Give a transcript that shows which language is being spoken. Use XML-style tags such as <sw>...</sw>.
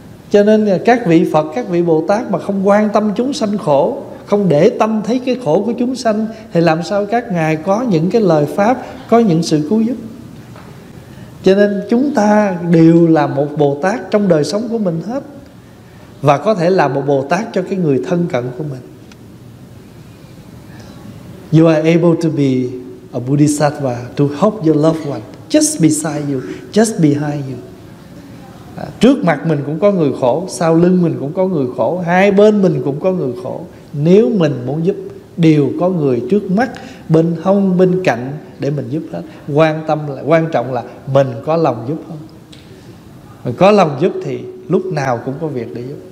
<vi>Cho nên các vị Phật, các vị Bồ Tát mà không quan tâm chúng sanh khổ, không để tâm thấy cái khổ của chúng sanh, thì làm sao các ngài có những cái lời pháp, có những sự cứu giúp. Cho nên chúng ta đều là một Bồ Tát trong đời sống của mình hết, và có thể là một Bồ Tát cho cái người thân cận của mình.</vi> <en>You are able to be a Bodhisattva to help your loved one just beside you, just behind you.</en> <vi>Trước mặt mình cũng có người khổ, sau lưng mình cũng có người khổ, hai bên mình cũng có người khổ. Nếu mình muốn giúp, đều có người trước mắt, bên hông, bên cạnh để mình giúp hết. Quan trọng là mình có lòng giúp không. Mình có lòng giúp thì lúc nào cũng có việc để giúp.</vi>